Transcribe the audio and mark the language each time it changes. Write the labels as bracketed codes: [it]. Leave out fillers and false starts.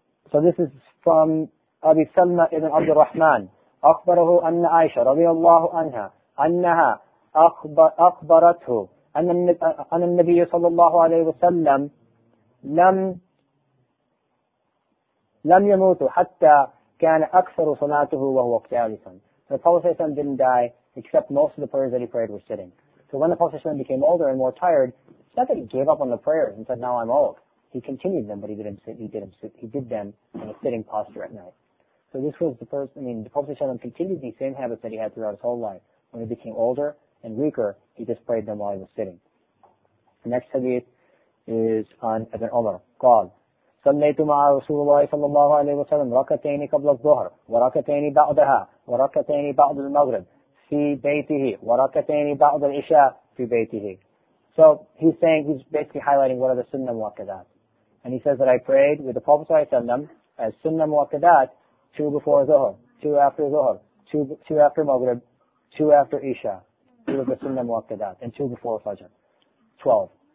[en] So this is from Abi Salma ibn Abdul Rahman. [ar] أخبره أن عائشة رضي الله عنها أنها أخبرته أن النبي صلى الله عليه وسلم لم يموت حتى كَانَ أَكْثَرُ صَلَاتُهُ وَهُوَ قْيَالِسًا. [en] The Prophet ﷺ didn't die, except most of the prayers that he prayed were sitting. So when the Prophet ﷺ became older and more tired, it's not that he gave up on the prayers and said, now I'm old. He continued them, but he didn't sit. He did them in a sitting posture at night. So this was the first, the Prophet ﷺ continued these same habits that he had throughout his whole life. When he became older and weaker, he just prayed them while he was sitting. The next hadith is on Ibn Umar. [ar] قال, صليت مع رسول الله صلى الله عليه وسلم ركعتين قبل الظهر وركعتين بعدها وركعتين بعد المغرب في بيته وركعتين بعد العشاء في بيته. [en] So he's saying, he's basically highlighting what are the sunnah muakkadat. And he says that I prayed with the Prophet صلى الله عليه وسلم as sunnah muakkadat, two before Zuhr, two after Zuhr, two after Maghrib, two after Isha, two of the sunnah muakkadat, and two before Fajr, 12.